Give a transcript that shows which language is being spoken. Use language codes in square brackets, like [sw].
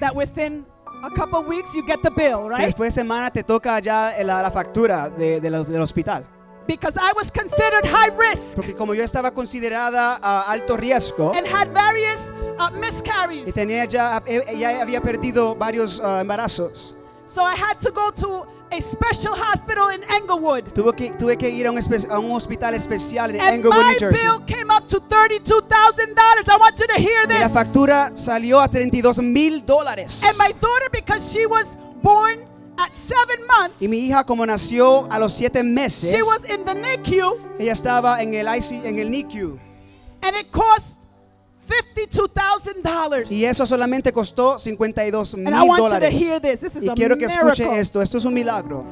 [en] That within a couple weeks you get the bill, right? [es] Que después de semana te toca ya la factura del hospital. [en] Because I was considered high risk. [es] Porque como yo estaba considerada a alto riesgo. [en] And had various miscarries. [es] Y tenía ya había perdido varios embarazos. [en] So I had to go to a special hospital in Englewood. [es] Tuve que ir a un hospital especial en Englewood, New Jersey. [en] And my bill came up to $32,000. I want you to hear this. [es] Y la factura salió a $32,000. [en] And my daughter, because she was born at 7 months. [es] Y mi hija como nació a los 7 meses. [en] She was in the NICU. [es] Ella estaba en el ICU, en el NICU. [en] And it cost $52,000. [es] Y eso solamente costó $52,000. [en] And I want you to hear this. This is a miracle. [es] Y quiero que escuche esto. Esto es un milagro.